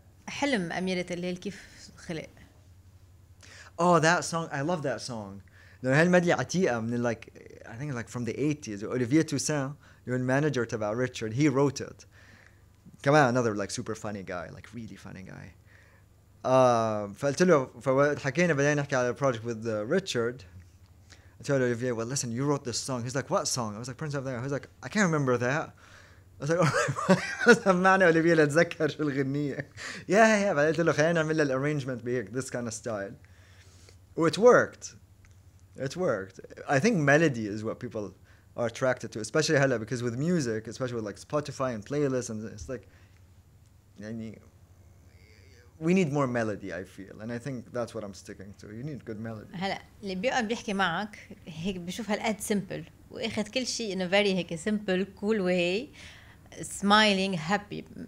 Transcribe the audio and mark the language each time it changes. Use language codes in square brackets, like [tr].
[ar] حلم أميرة الليل كيف خلق. [en] Oh, that song. I love that song. [ar] هالمدلي عتيقة من [en] like, I think like from the 80s. Olivier Toussaint, your manager [ar] تبع [en] Richard, he wrote it. Come on, another like super funny guy, like really funny guy. [ar] فقلت له فحكينا بدنا نحكي على [en] project with Richard. I told Olivier, well, listen, you wrote this song. He's like, what song? I was like, Prince of the Air. He's like, I can't remember that. I was like, oh, [ar] معنى أوليفيا لتذكر شو الغنية. [en] Yeah. [ar] فقلت له خلينا نعمل الarrangement بهيك [en] this kind of style. Oh, it worked. I think melody is what people are attracted to, especially هلا, because with music, especially with like Spotify and playlists, and it's like, يعني, we need more melody, I feel. And I think that's what I'm sticking to. You need good melody. [ar] هلا اللي بيقعد بيحكي معك هيك بشوف هالقد simple, واخذ كل شيء [en] in a very [ar] هيك [en] simple, cool way, smiling, happy.